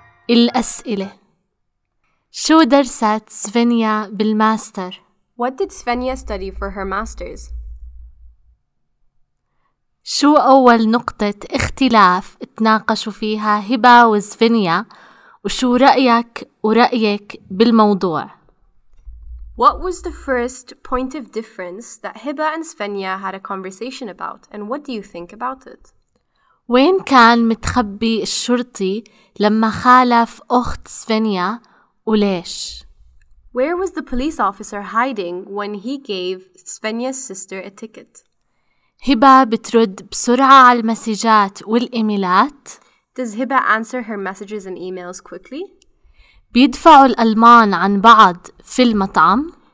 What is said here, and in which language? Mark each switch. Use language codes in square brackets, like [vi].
[ar] الأسئلة: شو درست سفينيا بالماستر؟ [en] What did Svenja study for her master's? [ar] شو أول نقطة اختلاف تناقشوا فيها هبة وسفينيا؟ وشو رأيك ورأيك بالموضوع؟ [en] What was the first point of difference that Hiba and Svenja had a conversation about, and what do you think about it? [ar] وين كان متخبي الشرطي لما خالف أخت سفينيا وليش؟ [en] Where was the police officer hiding when he gave Svenja's sister a ticket? [ar] هبة بترد بسرعة على المسجات والإيميلات. [en] Does Hiba answer her messages and emails quickly? [ar] بيدفعوا الألمان عن بعض في المطعم.